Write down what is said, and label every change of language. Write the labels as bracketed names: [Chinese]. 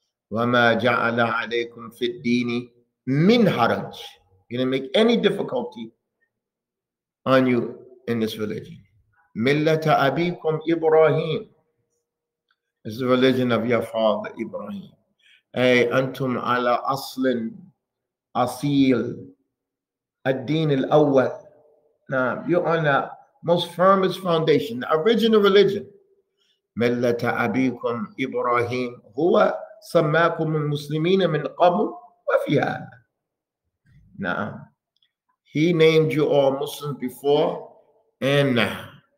[Arabic] وما جعل عليكم في الدين من حرج [English] going to make any difficulty on you in this religion. [Arabic] ملة أبيكم إبراهيم [English] is the religion of your father Ibrahim. [Arabic] أي أنتم على أصل أصيل الدين الأول. نعم. [English] You're on the most firmest foundation, the original religion. [Arabic] ملة أبيكم إبراهيم هو سماكم المسلمين من قبل وفيها [English] Now, he named you all Muslims before and now.